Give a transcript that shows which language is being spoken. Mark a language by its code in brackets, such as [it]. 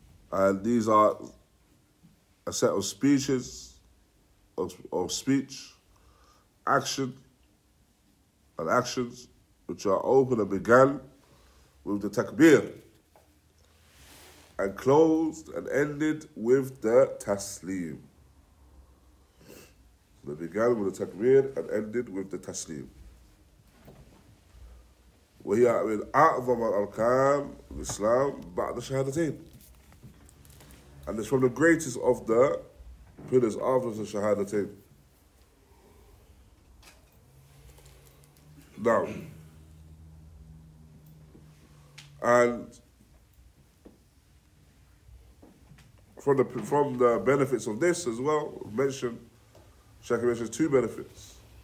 [en] And these are a set of speeches, of speech, action, and actions which are open and began with the takbir and closed and ended with the taslim. So they began with the takbir and ended with the taslim. [ar] وهي من أعظم الأركان في الإسلام بعد الشهادتين. [en] And it's from the greatest of the pillars after the shahadatain. Now, and from the benefits of this as well, Shaykh mentioned two benefits.